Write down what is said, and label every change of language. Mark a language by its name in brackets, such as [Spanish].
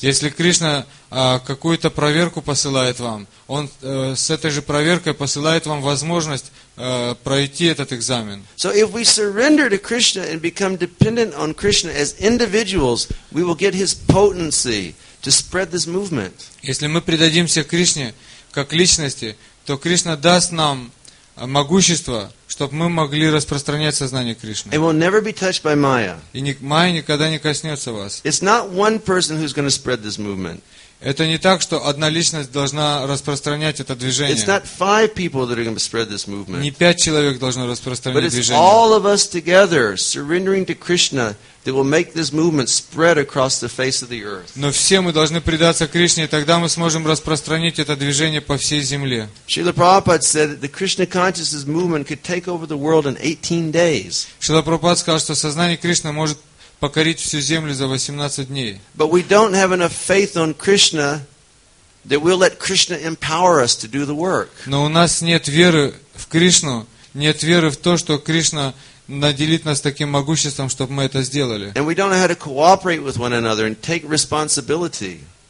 [Russian] Если Кришна какую-то проверку посылает вам, он с этой же проверкой посылает вам возможность пройти этот экзамен. [English] So if we surrender to Krishna and become dependent on Krishna as individuals, we will get his potency to spread this movement. [Russian] Если мы предадимся Кришне как личности, то Кришна даст нам могущество, чтобы мы могли распространять сознание Кришны. [English] It will never be touched by Maya. [Russian] И Майя никогда не коснется вас. [English] It's not one person who's going to spread this movement. [Russian] Это не так, что одна личность должна распространять это движение. [English] It's not five people that are going to spread this movement. [Russian] Не пять человек должно распространять [English] But [Russian] движение. [English] But it's all of us together surrendering to Krishna that will make this movement spread across the face of the earth. [Russian] Но все мы должны предаться Кришне, и тогда мы сможем распространить это движение по всей земле. [English] Srila Prabhupada said that the Krishna consciousness movement could take over the world in 18 days. [Russian] Srila Prabhupada сказал, что сознание Кришны может покорить всю землю за 18 дней. [English] But we don't have enough faith on Krishna that we'll let Krishna empower us to do the work. [Russian] Но у нас нет веры в Кришну, нет веры в то, что Кришна наделит нас таким могуществом, чтобы мы это сделали. [English] And we don't know how to cooperate with one another and take responsibility.